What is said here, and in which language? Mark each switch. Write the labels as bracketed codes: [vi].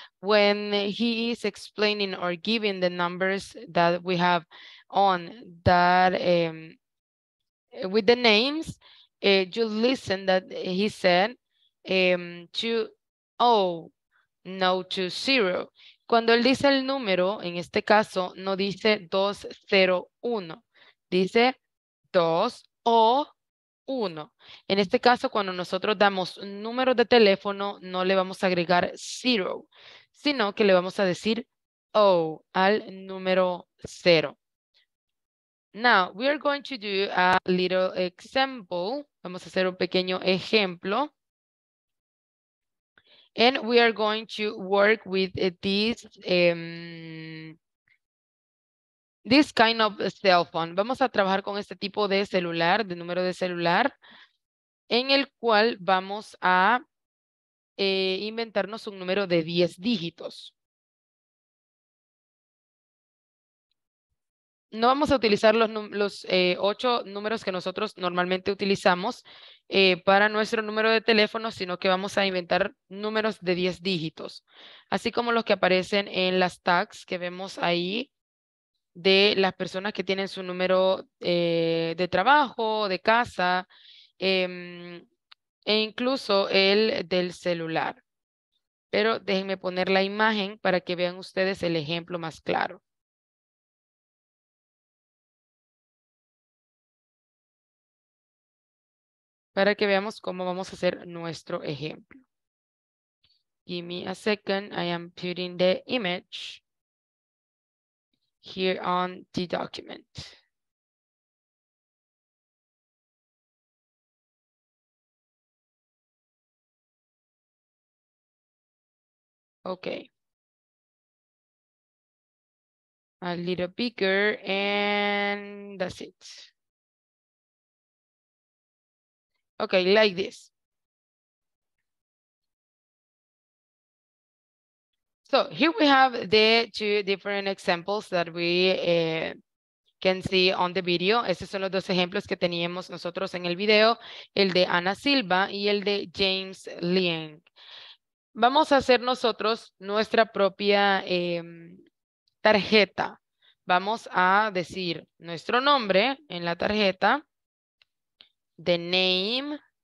[en] when he is explaining or giving the numbers that we have on that with the names, you listen that he said 2-0, no 2-0. [es] Cuando él dice el número, en este caso, no dice 2-0-1, dice 2-0-1. En este caso, cuando nosotros damos números de teléfono, no le vamos a agregar 0, sino que le vamos a decir O al número 0. [en] Now, we are going to do a little example. [es] Vamos a hacer un pequeño ejemplo. [en] And we are going to work with this kind of cell phone. [es] Vamos a trabajar con este tipo de celular, de número de celular, en el cual vamos a inventarnos un número de 10 dígitos. No vamos a utilizar los 8 números que nosotros normalmente utilizamos para nuestro número de teléfono, sino que vamos a inventar números de 10 dígitos, así como los que aparecen en las tags que vemos ahí de las personas que tienen su número de trabajo, de casa, e incluso el del celular. Pero déjenme poner la imagen para que vean ustedes el ejemplo más claro. Para que veamos cómo vamos a hacer nuestro ejemplo. [en] Give me a second. I am putting the image here on the document. Okay. A little bigger, and that's it. Okay, like this. So here we have the two different examples that we can see on the video. [es] Estos son los dos ejemplos que teníamos nosotros en el video, el de Ana Silva y el de James Liang. Vamos a hacer nosotros nuestra propia tarjeta. Vamos a decir nuestro nombre en la tarjeta, [en] the name.